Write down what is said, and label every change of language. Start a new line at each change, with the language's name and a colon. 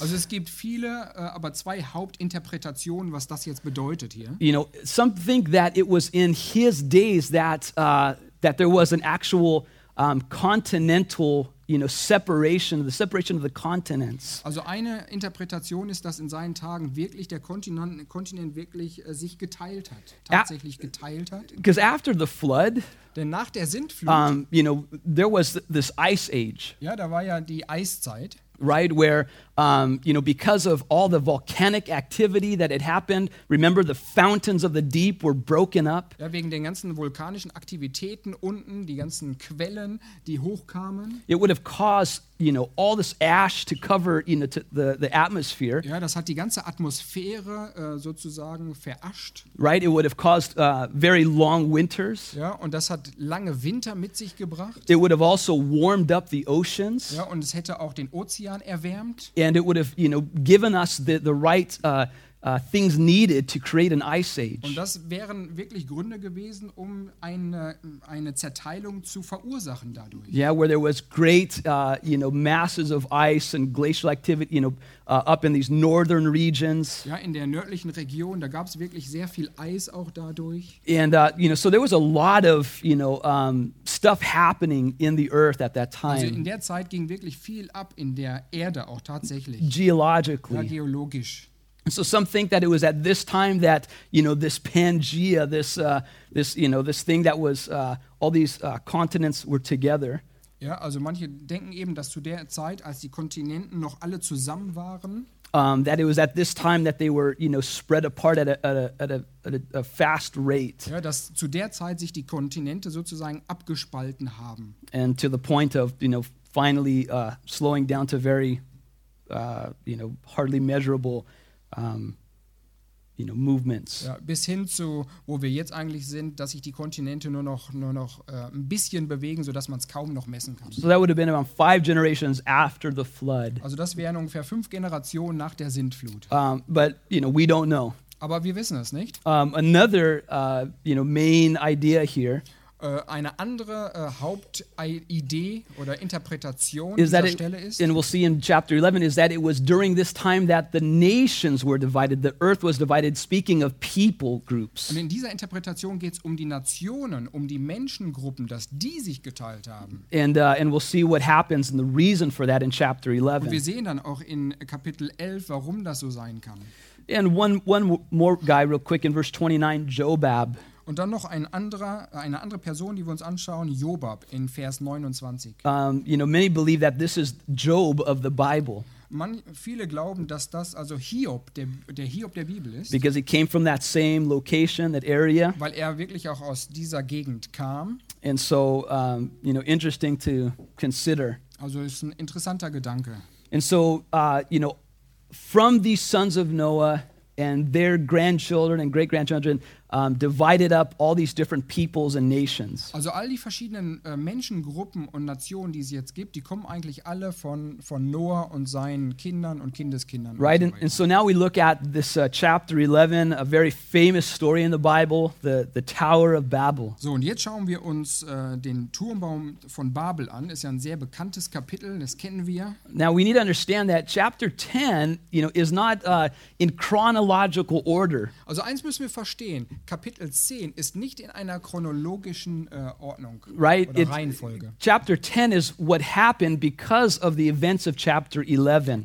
German: Also es gibt viele, aber zwei Hauptinterpretationen, was das jetzt bedeutet hier.
English: Some think that it was in his days that that there was an actual continental, separation of the continents.
German: Also eine Interpretation ist, dass in seinen Tagen wirklich der Kontinent wirklich sich geteilt hat, tatsächlich geteilt hat.
English: Because after the flood,
German: denn nach der Sintflut,
English: there was this ice age.
German: Ja, da war ja die Eiszeit.
English: Right, where because of all the volcanic activity that had happened, remember the fountains of the deep were broken up.
German: Ja, wegen den ganzen vulkanischen Aktivitäten unten, die ganzen Quellen, die hochkamen.
English: It would have caused all this ash to cover the atmosphere.
German: Ja, das hat die ganze Atmosphäre sozusagen verascht.
English: Right, it would have caused very long winters.
German: Ja, und das hat lange Winter mit sich gebracht.
English: It would have also warmed up the oceans.
German: Ja, und es hätte auch den Ozean erwärmt.
English: And it would have, given us the right things needed to create an ice age.
German: Und das wären wirklich Gründe gewesen, um eine Zerteilung zu verursachen dadurch.
English: Yeah, where there was great, masses of ice and glacial activity, up in these northern regions.
German: Ja, in der nördlichen Region, da gab es wirklich sehr viel Eis auch dadurch.
English: And, so there was a lot of, stuff happening in the earth at that time.
German: Also in der Zeit ging wirklich viel ab in der Erde auch tatsächlich.
English: Geologically.
German: Ja, geologisch.
English: So some think that it was at this time that this Pangaea, this thing that was all these continents were together.
German: Ja, also manche denken eben, dass zu der Zeit, als die Kontinenten noch alle zusammen waren,
English: That it was at this time that they were spread apart at a fast rate.
German: Ja, dass zu der Zeit sich die Kontinente sozusagen abgespalten haben.
English: And to the point of finally slowing down to very hardly measurable. Movements.
German: Ja, bis hin zu, wo wir jetzt eigentlich sind, dass sich die Kontinente nur noch ein bisschen bewegen, sodass man es kaum noch messen kann.
English: So that would have been about 5 generations after the flood.
German: Also das wären ungefähr 5 Generationen nach der Sintflut.
English: But we don't know.
German: Aber wir wissen es nicht.
English: Another main idea here.
German: eine andere Hauptidee oder Interpretation
English: is
German: dieser Stelle ist.
English: And we'll see in chapter 11 is that it was during this time that the nations were divided, the earth was divided, speaking of people groups.
German: Und in dieser Interpretation geht es um die Nationen, um die Menschengruppen, dass die sich geteilt haben.
English: And we'll see what happens and the reason for that in chapter 11.
German: Und wir sehen dann auch in Kapitel 11, warum das so sein kann.
English: And one more guy real quick in verse 29, Jobab.
German: Und dann noch eine andere Person, die wir uns anschauen, Jobab in Vers 29.
English: You know, many believe that this is Job of the Bible.
German: Viele glauben, dass das also Hiob, der Hiob der Bibel ist.
English: Because he came from that same location, that area.
German: Weil er wirklich auch aus dieser Gegend kam.
English: And so, you know, interesting to consider.
German: Also ist ein interessanter Gedanke.
English: And so, you know, from these sons of Noah and their grandchildren and great-grandchildren divided up all these different peoples and nations.
German: Also all die verschiedenen Menschengruppen und Nationen, die es jetzt gibt, die kommen eigentlich alle von Noah und seinen Kindern und Kindeskindern.
English: Right,
German: und
English: so and so now we look at this chapter 11, a very famous story in the Bible, the Tower of Babel.
German: So, und jetzt schauen wir uns den Turmbaum von Babel an. Ist ja ein sehr bekanntes Kapitel, das kennen wir.
English: Now we need to understand that chapter 10, you know, is not in chronological order.
German: Also eins müssen wir verstehen. Kapitel 10 ist nicht in einer chronologischen Ordnung
English: right,
German: oder Reihenfolge.
English: Chapter 10 is what happened because of the events of chapter 11.